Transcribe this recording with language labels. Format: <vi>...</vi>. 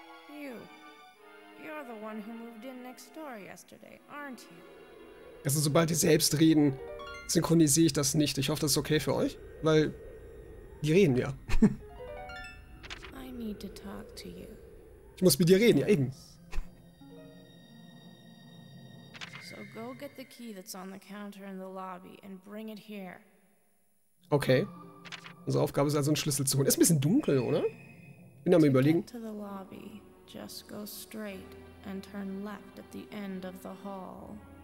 <en>You're the one who moved in next door yesterday, aren't you?</en> <de>Also sobald die selbst reden, synchronisiere ich das nicht. Ich hoffe, das ist okay für euch, weil die reden ja.</de> <en>I need to talk to you.</en> <de>Ich muss mit dir reden, ja eben.</de> <en>So go get the key that's on the counter in the lobby and bring it here. Okay.</en> <de>Unsere Aufgabe ist also, einen Schlüssel zu holen. Ist ein bisschen dunkel, oder? Ich bin da mal überlegen.</de> <en>To the lobby, just go straight and turn left at the end of the hall.</en>